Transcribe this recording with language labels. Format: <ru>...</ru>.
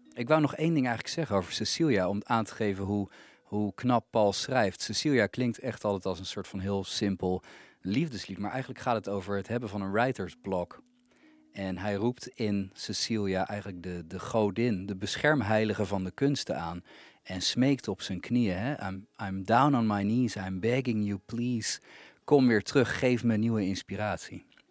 <nl>Ik wou nog één ding eigenlijk zeggen over Cecilia. Om aan te geven hoe knap Paul schrijft. Cecilia klinkt echt altijd als een soort van heel simpel liefdeslied. Maar eigenlijk gaat het over het hebben van een writer's block. En hij roept in Cecilia eigenlijk de godin, de beschermheilige van de kunsten aan. En smeekt op zijn knieën. Hè?</nl> <en>I'm down on my knees, I'm begging you please.</en> <nl>Kom weer terug, geef me nieuwe inspiratie.</nl>